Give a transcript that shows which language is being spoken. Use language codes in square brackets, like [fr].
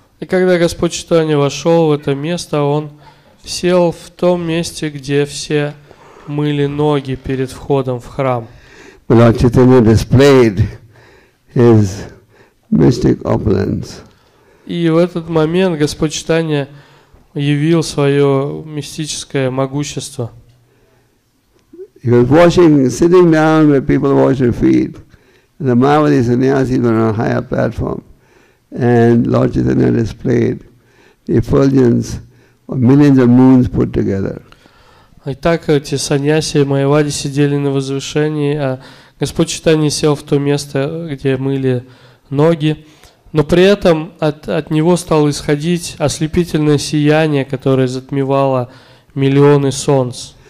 [ru] И когда Господь Читания вошел в это место, он сел в том месте, где все мыли ноги перед входом в храм. [en] But Lord Chaitanya displayed his mystic opulence. [ru] И в этот момент Господь Читания явил свое мистическое могущество. [en] He was washing, sitting down where people wash their feet. The Mayavadi sannyasis were on a higher platform, and Lord Chaitanya displayed the effulgence of millions of moons put together. [ru] Итак, эти саньяси и майявади сидели на возвышении, а Господь Читания сел в то место, где мыли ноги, но при этом от него стало исходить ослепительное сияние, которое затмевало миллионы солнц.